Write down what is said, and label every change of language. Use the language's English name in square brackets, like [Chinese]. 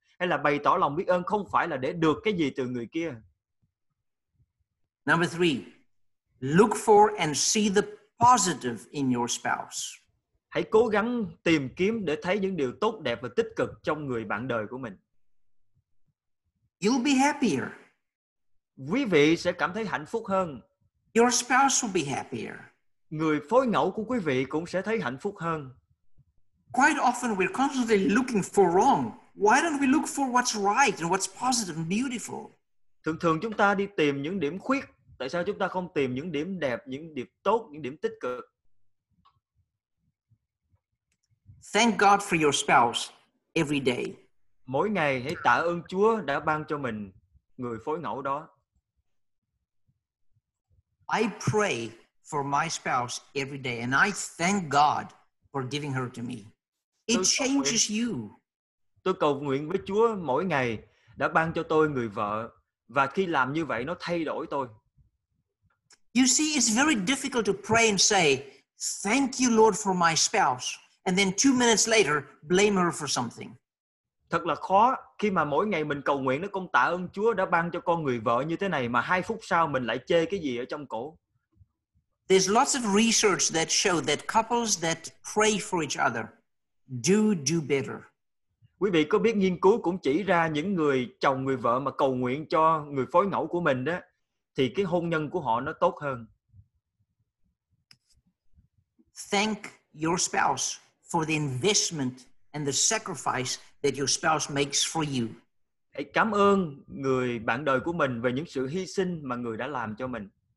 [Vietnamese] Hay là bày tỏ lòng biết ơn không phải là để được cái gì từ người kia. [English] Number three, look for and see the positive in your spouse. [Vietnamese] Hãy cố gắng tìm kiếm để thấy những điều tốt đẹp và tích cực trong người bạn đời của mình. [English] You'll be happier. [Vietnamese] Quý vị sẽ cảm thấy hạnh phúc hơn. [English] Your spouse will be happier. [Vietnamese] Người phối ngẫu của quý vị cũng sẽ thấy hạnh phúc hơn. [English] Quite often we're constantly looking for wrong. Why don't we look for what's right and what's positive and beautiful? [Vietnamese] Thường thường chúng ta đi tìm những điểm khuyết. Tại sao chúng ta không tìm những điểm đẹp, những điểm tốt, những điểm tích cực? [English] Thank God for your spouse every day. [Vietnamese] Mỗi ngày hãy tạ ơn Chúa đã ban cho mình người phối ngẫu đó. [English] I pray for my spouse every day and I thank God for giving her to me. It changes you. [Vietnamese] Tôi cầu nguyện với Chúa mỗi ngày đã ban cho tôi người vợ và khi làm như vậy nó thay đổi tôi. [English] You see, it's very difficult to pray and say, "Thank you, Lord, for my spouse." And then 2 minutes later, blame her for something. [Vietnamese] Thật là khó khi mà mỗi ngày mình cầu nguyện nó con tạ ơn Chúa đã ban cho con người vợ như thế này mà 2 phút sau mình lại chê cái gì ở trong cổ. [English] There's lots of research that show that couples that pray for each other do better. [Vietnamese] Quý vị có biết nghiên cứu cũng chỉ ra những người chồng người vợ mà cầu nguyện cho người phối ngẫu của mình đó thì cái hôn nhân của họ nó tốt hơn. [English] Thank your spouse for the investment and the sacrifice that your spouse makes for you. [Vietnamese] Hãy cảm ơn người bạn đời của mình về những sự hy sinh mà người đã làm cho mình.